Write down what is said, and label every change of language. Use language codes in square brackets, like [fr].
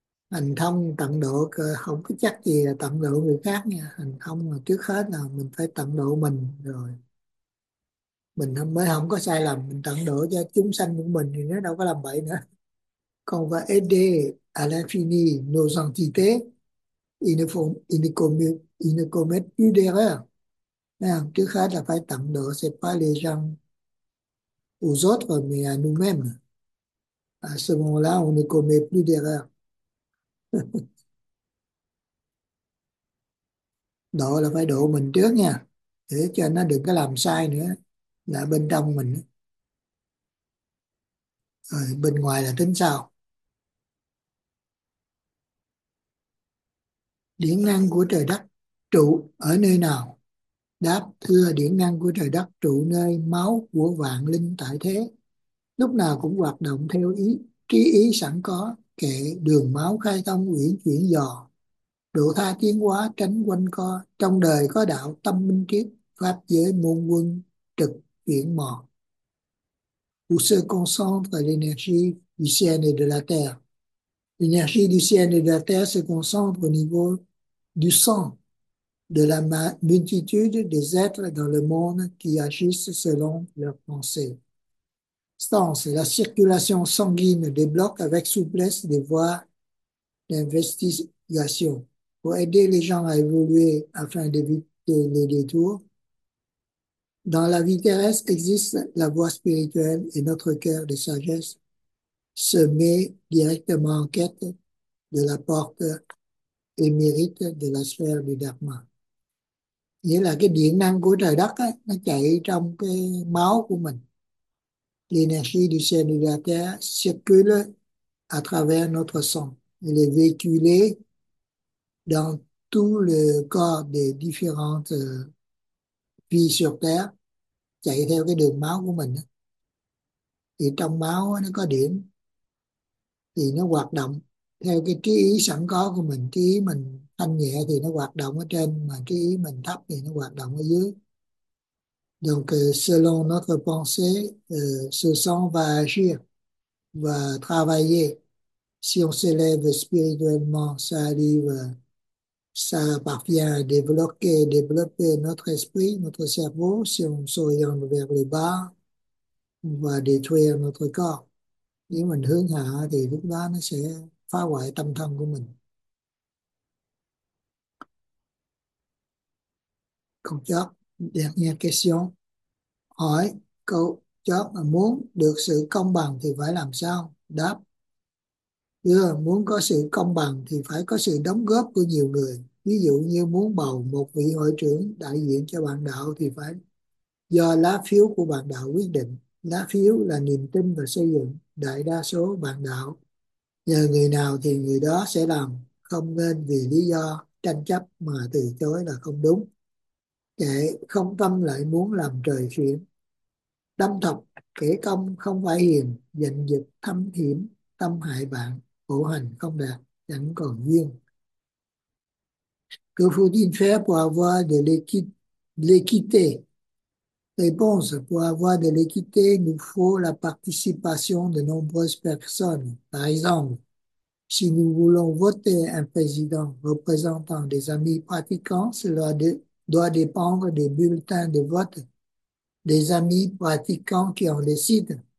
[vi] Hành thông tận độ không có chắc gì là tận độ người khác nha. Hành thông là trước hết là mình phải tận độ mình rồi. Mình mới không có sai lầm. Mình tận độ cho chúng sanh của mình thì nó đâu có làm bậy nữa. Còn và [fr] aider à l'infini nos entités, ils ne commettent plus d'erreurs. [vi] À, trước hết là phải tận độ [fr] c'est pas les gens aux autres mais à nous-mêmes. À ce moment-là, on ne commet plus d'erreurs. [vi] Đó là phải độ mình trước nha, để cho nó đừng có làm sai nữa, là bên trong mình. Rồi, bên ngoài là tính sao? Điện năng của trời đất trụ ở nơi nào? Đáp, thưa, điện năng của trời đất trụ nơi máu của vạn linh tại thế, lúc nào cũng hoạt động theo ý trí ý sẵn có, kệ đường máu khai thông uyển chuyển dò độ tha tiến hóa tránh quanh co, trong đời có đạo tâm minh triết, pháp giới muôn quân trực chuyển mò. [fr] Où se concentre l'énergie du ciel et de la terre? L'énergie du ciel et de la terre se concentre au niveau du sang de la multitude des êtres dans le monde qui agissent selon leurs pensées. Stance, la circulation sanguine débloque avec souplesse des voies d'investigation pour aider les gens à évoluer afin d'éviter les détours. Dans la vie terrestre existe la voie spirituelle et notre cœur de sagesse se met directement en quête de la porte Mérite de la sphère du đặc mà. [vi] Nghĩa là cái điện năng của trời đất ấy, nó chạy trong cái máu của mình. [fr] L'énergie du ciel circule à travers notre sang. Elle est véhiculée dans tout le corps des différentes vies sur Terre, [vi] chạy theo cái đường máu của mình. Thì trong máu ấy, nó có điện, thì nó hoạt động theo cái trí ý sẵn có của mình. Trí ý mình thanh nhẹ thì nó hoạt động ở trên, mà trí ý mình thấp thì nó hoạt động ở dưới. [fr] Donc, selon notre pensée, ce sang va agir, va travailler. Si on s'élève spirituellement, ça arrive, ça parvient à développer notre esprit, notre cerveau. Si on s'oriente vers le bas, on va détruire notre corps. [vi] Nếu mình hướng hạ thì lúc đó nó sẽ phá hoại tâm thân của mình. Câu chót, [fr] dernière question. [vi] Hỏi câu chót là muốn được sự công bằng thì phải làm sao? Đáp. Muốn có sự công bằng thì phải có sự đóng góp của nhiều người. Ví dụ như muốn bầu một vị hội trưởng đại diện cho bạn đạo thì phải do lá phiếu của bạn đạo quyết định. Lá phiếu là niềm tin và xây dựng đại đa số bạn đạo. Nhờ người nào thì người đó sẽ làm, không nên vì lý do tranh chấp mà từ chối là không đúng. Kệ không tâm lại muốn làm trời chuyển. Tâm thật, kẻ công không phải hiền, giành giật thâm hiểm, tâm hại bạn, khổ hành không đạt, chẳng còn duyên. [fr] Que faut-il faire pour avoir de l'équité? Réponse, pour avoir de l'équité, nous faut la participation de nombreuses personnes. Par exemple, si nous voulons voter un président représentant des amis pratiquants, cela doit dépendre des bulletins de vote des amis pratiquants qui en décident.